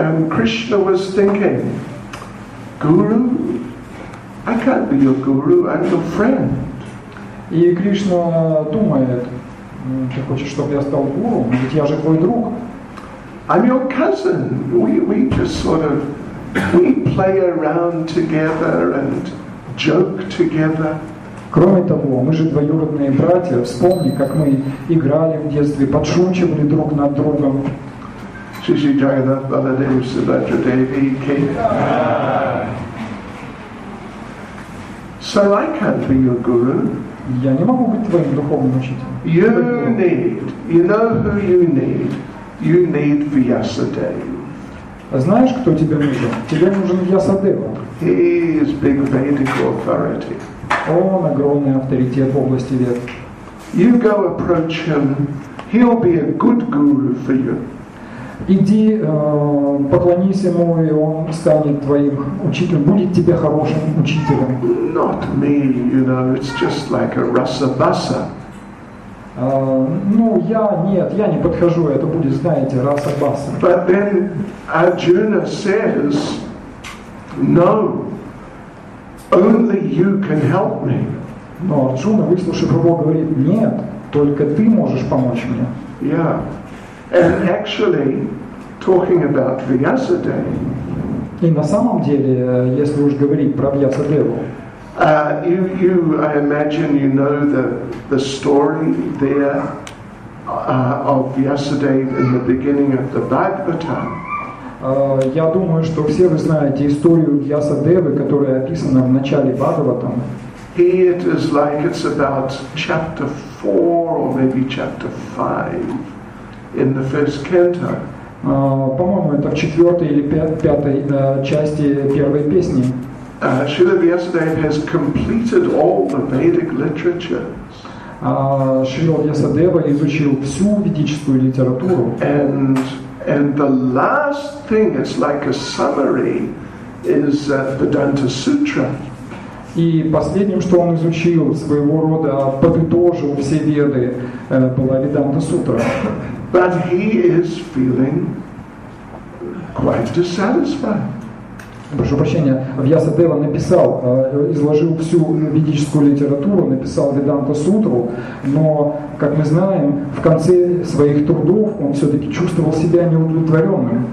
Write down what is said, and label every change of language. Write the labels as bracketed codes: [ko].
[en] Krishna was thinking, Guru, I can't be your guru, I'm your friend. [ru] И Кришна думает: ты хочешь, чтобы я стал гуру? Ведь я же твой друг. [en] I'm your cousin. We just sort of we play around together and joke together. [ru] Кроме того, мы же двоюродные братья. Вспомни, как мы играли в детстве, подшучивали друг над другом. [hi] Шри Джаганнат Баладев Субхадра Деви Ки. [en] So I can't be your guru. [ru] Я не могу быть твоим духовным учителем. [en] You need Vyasadeva. [ru] Знаешь, кто тебе нужен? Тебе нужен Vyasadeva. [en] He is big Vedic authority. [ru] Он огромный авторитет в области Вед. [en] You go approach him. He'll be a good guru for you. [ru] Иди, поклонись ему, и он станет твоим учителем, будет тебе хорошим учителем. [en] Not me, you know, it's just like a rasa-basa. [ru] Я не подхожу, это будет, знаете, раса-баса. [en] But then Arjuna says, no, only you can help me. [ru] Но Арджуна, выслушав его, говорит: нет, только ты можешь помочь мне. [en] Yeah. And actually, talking about Vyasadeva. [ru] И на самом деле, если уж говорить про Vyasadeva. [en] You, I imagine, you know the story there of Vyasadeva in the beginning of the Bhagavatam. [ru] Я думаю, что все вы знаете историю Vyasadeva, которая описана в начале Бхагаватам. [en] Here it is like it's about chapter 4 or maybe chapter 5. In the first canto. [ru] По-моему, это в четвертой или пятой части первой песни. [en] Srila Vyasadeva has completed all the Vedic literature. [ru] Srila Vyasadeva изучил всю ведическую литературу. [en] And the last thing, it's like a summary, is Vedanta Sutra. [ru] И последним, что он изучил, своего рода подытожил все веды, была Веданта Сутра. [en] But he is feeling quite dissatisfied. [ru] Прошу прощения, Vyasadeva написал, изложил всю ведическую литературу, написал Веданта Сутру, но, как мы знаем, в конце своих трудов он все-таки чувствовал себя неудовлетворенным.